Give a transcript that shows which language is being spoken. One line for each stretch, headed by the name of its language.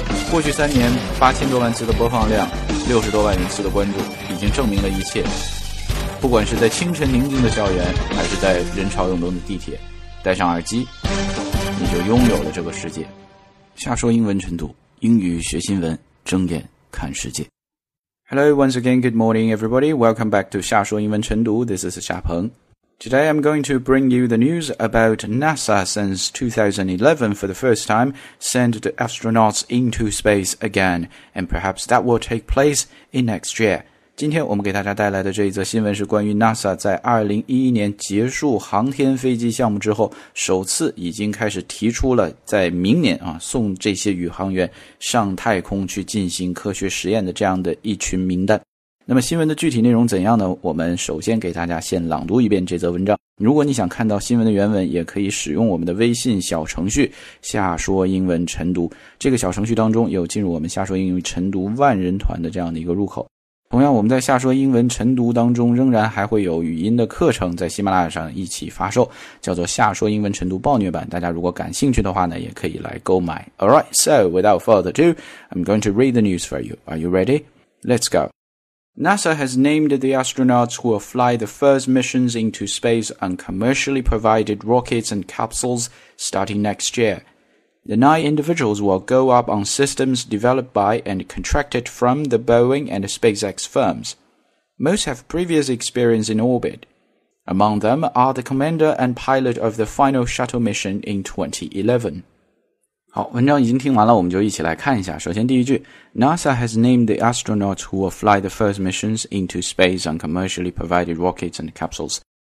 Chinese: 过去三年，8000多万次的播放量，60多万人次的关注，已经证明了一切。不管是在清晨宁静的校园，还是在人潮涌动的地铁，戴上耳机，你就拥有了这个世界。下说英文晨读，英语学新闻，睁眼看世界。
English: Hello, once again, good morning, everybody. Welcome back to 夏说英文晨读.This is Xia Peng. Today, I'm going to bring you the news about NASA since 2011 for the first time sent the astronauts into space again. And perhaps that will take place in next year.
Chinese: 今天我们给大家带来的这一则新闻是关于 NASA 在2011年结束航天飞机项目之后，首次已经开始提出了在明年啊送这些宇航员上太空去进行科学实验的这样的一群名单。那么新闻的具体内容怎样呢？我们首先给大家先朗读一遍这则文章。如果你想看到新闻的原文，也可以使用我们的微信小程序夏说英文晨读。这个小程序当中有进入我们夏说英文晨读万人团的这样的一个入口。同样我们在夏说英文晨读当中仍然还会有语音的课程在喜马拉雅上一起发售，叫做夏说英文晨读暴虐版，大家如果感兴趣的话呢，也可以来购买。
English: Alright, so without further ado, I'm going to read the news for you. Are you ready? Let's go. NASA has named the astronauts who will fly the first missions into space on commercially provided rockets and capsules starting next year. The 9 individuals will go up on systems developed by and contracted from the Boeing and SpaceX firms. Most have previous experience in orbit. Among them are the commander and pilot of the final shuttle mission in 2011.
Chinese: 好，文章已经听完了，我们就一起来看一下。首先第一句，
English: NASA has named the astronauts who will fly the first missions into space on commercially provided rockets and capsules.